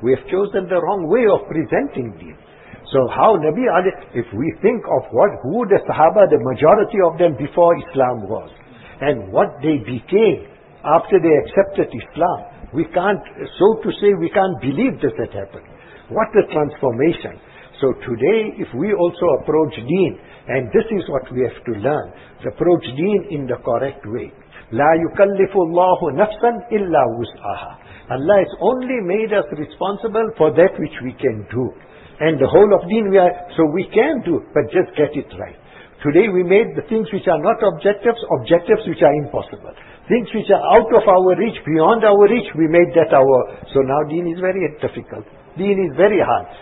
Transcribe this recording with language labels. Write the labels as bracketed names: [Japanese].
[English] We have chosen the wrong way of presenting deen. So how Nabi Ali, if we think of what, who the Sahaba, the majority of them before Islam was, and what they became after they accepted Islam, we can't, so to say, we can't believe this had happened. What a transformation. So today, if we also approach deen, and this is what we have to learn, approach deen in the correct way. [Arabic] لا يكلف الله نفسا إلا وسعها. [English] Allah has only made us responsible for that which we can do. And the whole of deen, we are, so we can do, but just get it right. Today we made the things which are not objectives, objectives which are impossible. Things which are out of our reach, beyond our reach, we made that our, so now deen is very difficult. Deen is very hard.